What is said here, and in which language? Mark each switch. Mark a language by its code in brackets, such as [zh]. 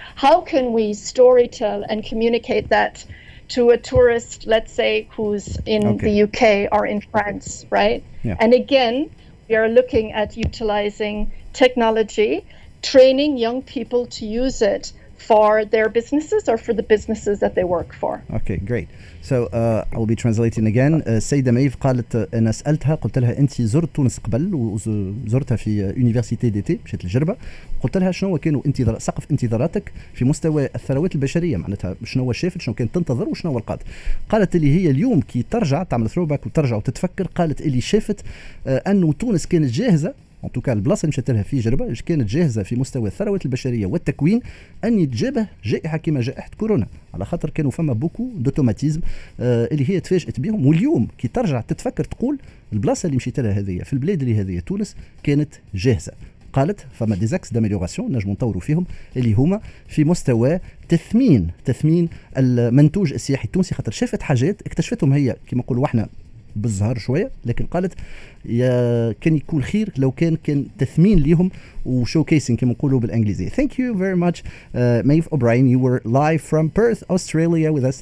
[en] How can we storytell and communicate that to a tourist, let's say, who's in the UK or in France, right? Yeah. And again, we are looking at utilizing technology, training young people to use it for their businesses or for the businesses that they work for. Okay, great. So I will be translating again. [ar] Sayda Maïf قالت أنا سألتها قلت لها أنت زرت تونس قبل وزرتها في [fr] Université d'été [ar] مشيت لجربة قلت لها شنو كانوا سقف انتظاراتك في مستوى الثروات البشرية معناتها شنو شافت شنو كانت تنتظر وشنو القاد قالت اللي هي اليوم كي ترجع تعمل [en] throwback [ar] وترجع وتتفكر قالت اللي شافت أنه تونس كانت جاهزة ان توكا البلاصه اللي مشات لها في جربة كانت جاهزه في مستوى الثروه البشريه والتكوين ان يتجابه جائحه كما جائحه كورونا على خاطر كانوا فما [fr] بوكو دوتوماتيزم [ar] اللي هي تفاجات بهم واليوم كي ترجع تتفكر تقول البلاصه اللي مشيت لها هذه في البلاد اللي هذه تونس كانت جاهزه قالت فما [fr] ديزاكس داميليوراسيون [ar] نجمو نطوروا فيهم اللي هما في مستوى تثمين المنتوج السياحي التونسي خاطر شافت حاجات اكتشفتهم هي كما نقولوا احنا بالزهر شوية لكن قالت يا كان يكون خير لو كان تثمين ليهم وشوكيسين كما نقوله بالإنجليزية. [en] Thank you very much Maïf O'Brien, you were live from Perth, Australia with us.